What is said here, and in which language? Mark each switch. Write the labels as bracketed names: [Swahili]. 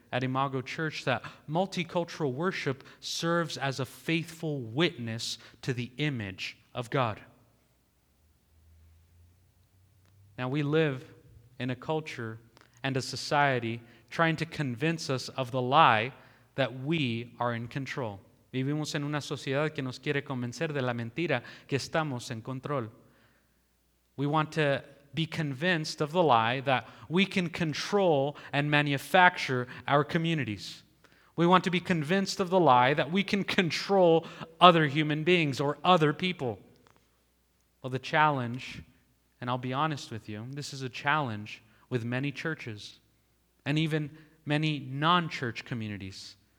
[English] at Imago Church that multicultural worship serves as a faithful witness to the image of God. Now, we live in a culture and a society trying to convince us of the lie that we are in control. [Spanish] Vivimos en una sociedad que nos quiere convencer de la mentira que estamos en control. [English] We want to be convinced of the lie that we can control and manufacture our communities. We want to be convinced of the lie that we can control other human beings or other people. Well, the challenge, and I'll be honest with you, this is a challenge with many churches and even many non-church communities.